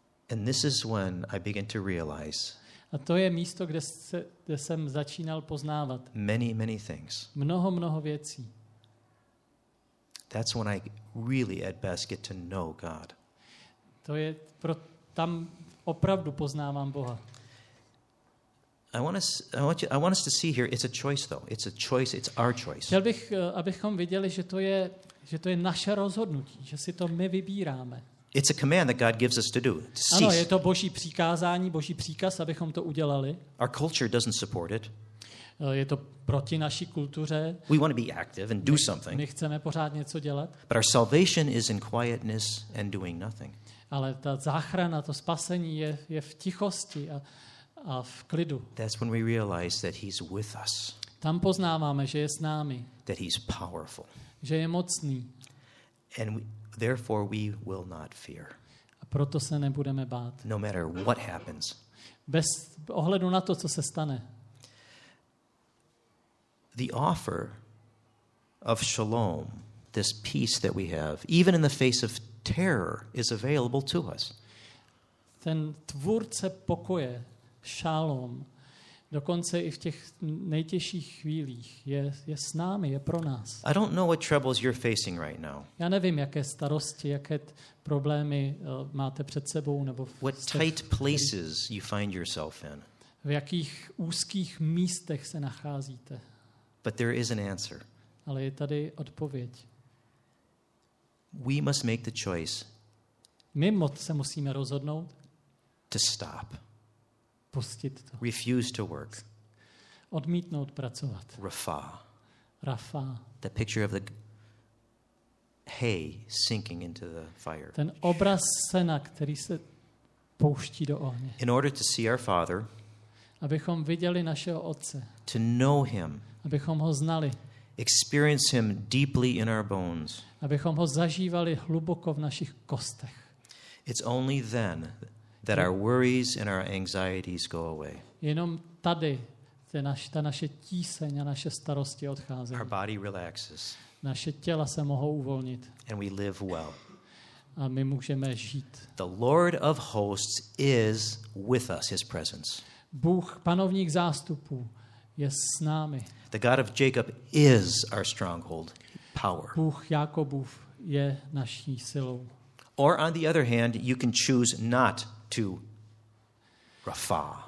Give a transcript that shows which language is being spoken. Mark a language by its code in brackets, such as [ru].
[en] And this is when I begin to realize. [cs] A to je místo, kde jsem začínal poznávat. [en] Many, many things. [cs] Mnoho, mnoho věcí. [en] That's when I really at best get to know God. [cs] To je tam opravdu poznávám Boha. [en] I want us to see here, it's a choice though. It's a choice, it's our choice. [cs] Chtěl bych, abychom viděli, že to je naše rozhodnutí, že si to my vybíráme. [en] It's a command that God gives us to do. To cease. [cs] Ano, je to Boží přikázání, Boží příkaz, abychom to udělali. [en] Our culture doesn't support it. [cs] Je to proti naší kultuře. [en] We want to be active and do something. [cs] My chceme pořád něco dělat. [en] But our salvation is in quietness and doing nothing. [cs] Ale ta záchrana, to spasení je v tichosti a v klidu. [en] That's when we realize that he's with us. [cs] Tam poznáváme, že je s námi. [en] That he's powerful. [cs] Že je mocný. [en] And therefore we will not fear. [cs] A proto se nebudeme bát. [en] No matter what happens. [cs] Bez ohledu na to, co se stane. [en] The offer of shalom, this peace that we have, even in the face of terror, is available to us. [cs] Ten tvůrce pokoje, šalom, dokonce i v těch nejtěžších chvílích je s námi, je pro nás. [en] I don't know what troubles you're facing right now. [cs] Já nevím, jaké starosti, jaké problémy máte před sebou nebo [en] what tight places you find yourself in. [cs] V jakých úzkých místech se nacházíte. [en] But there is an answer. [cs] Ale je tady odpověď. [en] We must make the choice. [cs] My se musíme rozhodnout. [en] To stop. [cs] Pustit to. [en] Refuse to work. [cs] Odmítnout pracovat. [en] Rafa. [cs] Rafa. [en] The picture of the hay sinking into the fire. [cs] Ten obraz sena, který se pouští do ohně. [en] In order to see our father. [cs] Abychom viděli našeho otce. [en] To know him. [cs] Abychom ho znali. [en] Experience him deeply in our bones. [cs] Abychom ho zažívali hluboko v našich kostech. [en] It's only then that our worries and our anxieties go away. [cs] Jenom tady ta naše tíseň a naše starosti odcházejí. [en] Our body relaxes. [cs] Naše těla se mohou uvolnit. [en] And we live well. [cs] A my můžeme žít. [en] The Lord of hosts is with us, his presence. [cs] Bůh, panovník zástupů, je s námi. [en] The God of Jacob is our stronghold, power. [cs] Bůh Jakobův je naší silou. [en] Or on the other hand, you can choose not to Rafa.